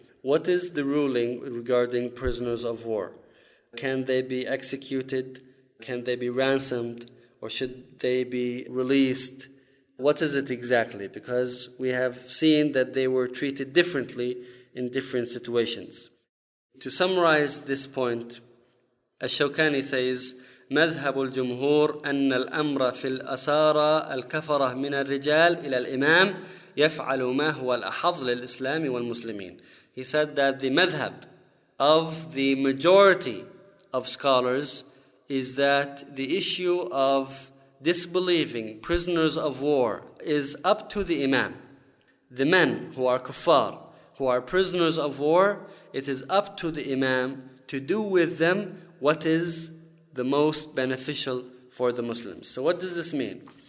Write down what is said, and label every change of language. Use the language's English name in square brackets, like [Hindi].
[English] What is the ruling regarding prisoners of war? Can they be executed? Can they be ransomed? Or should they be released? What is it exactly? Because we have seen that they were treated differently in different situations. To summarize this point, [Arabic] الشوكاني [English] says, [Arabic] مذهب الجمهور أن الأمر في الأسارة الكفرة من الرجال إلى الإمام يفعل ما هو الأحظ للإسلام والمسلمين. [English] He said that the madhab of the majority of scholars is that the issue of disbelieving prisoners of war is up to the imam. The men who are kuffar, who are prisoners of war, it is up to the imam to do with them what is the most beneficial for the Muslims. So what does this mean?